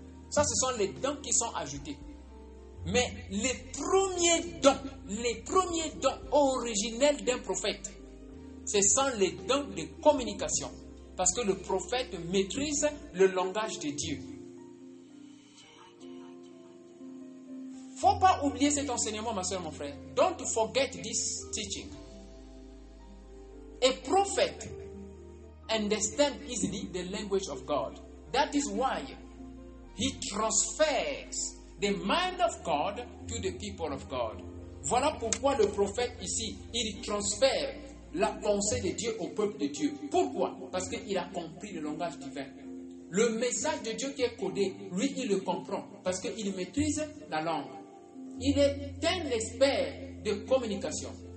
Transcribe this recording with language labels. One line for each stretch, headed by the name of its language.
French: Ça, ce sont les dons qui sont ajoutés. Mais les premiers dons originels d'un prophète, ce sont les dons de communication. Parce que le prophète maîtrise le langage de Dieu. Faut pas oublier cet enseignement, ma soeur, mon frère.
English: Don't forget this teaching. A prophet understands easily the language of God. That is why he transfers the mind of God to the people of God.
French: Voilà pourquoi le prophète ici, il transfère la pensée de Dieu au peuple de Dieu. Pourquoi? Parce qu'il a compris le langage divin. Le message de Dieu qui est codé, lui, il le comprend parce qu'il maîtrise la langue. Il est un expert de communication.